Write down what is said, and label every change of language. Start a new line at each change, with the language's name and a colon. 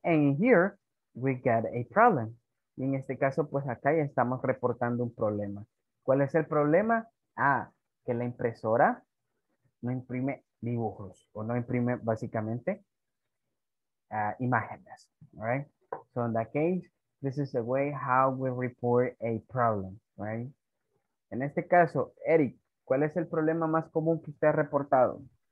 English: And here we get a problem.
Spanish: Y en este caso, pues acá ya estamos reportando un problema. ¿Cuál es el problema? Ah, que la impresora no imprime dibujos o no imprime básicamente imágenes.
English: All right. So in that case, this is the way how we report a problem, right?
Spanish: En este caso, Eric, ¿cuál es el problema más común que usted ha reportado?